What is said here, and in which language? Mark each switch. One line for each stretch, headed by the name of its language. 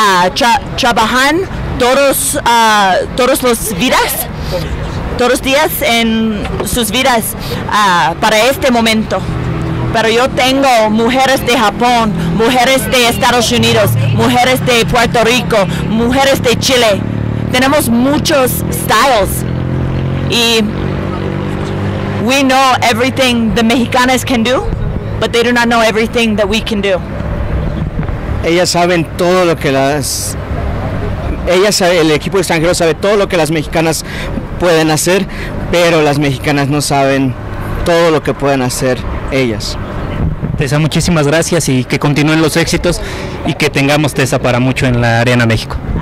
Spanish: Trabajan todos los vidas, todos días en sus vidas para este momento. Pero yo tengo mujeres de Japón, mujeres de Estados Unidos, mujeres de Puerto Rico, mujeres de Chile. Tenemos muchos styles.
English: Y we know everything the Mexicanas can do, but they do not know everything that we can do.
Spanish: Ellas saben todo lo que las ellas, el equipo extranjero sabe todo lo que las mexicanas pueden hacer, pero las mexicanas no saben todo lo que pueden hacer ellas. Tessa, muchísimas gracias y que continúen los éxitos y que tengamos Tessa para mucho en la Arena México.